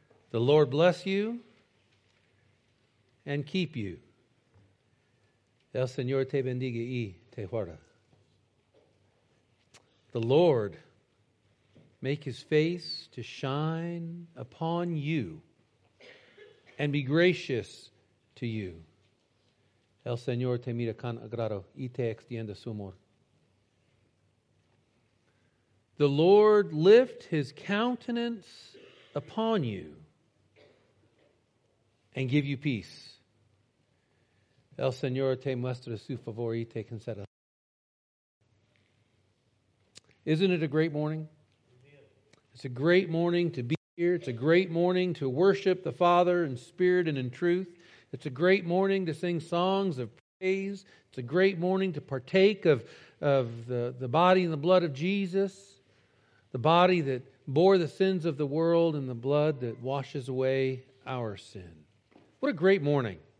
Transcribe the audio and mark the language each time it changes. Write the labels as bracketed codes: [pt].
[en] The Lord bless you and keep you. [es] El Señor te bendiga y te guarda. [en] The Lord make his face to shine upon you and be gracious to you. [es] El Señor te mira con agrado y te extiende su amor. [en] The Lord lift his countenance upon you and give you peace. [es] El Señor te muestra su favor y te concede. [en] Isn't it a great morning? It's a great morning to be here. It's a great morning to worship the Father in spirit and in truth. It's a great morning to sing songs of praise. It's a great morning to partake of the body and the blood of Jesus, the body that bore the sins of the world and the blood that washes away our sin. What a great morning.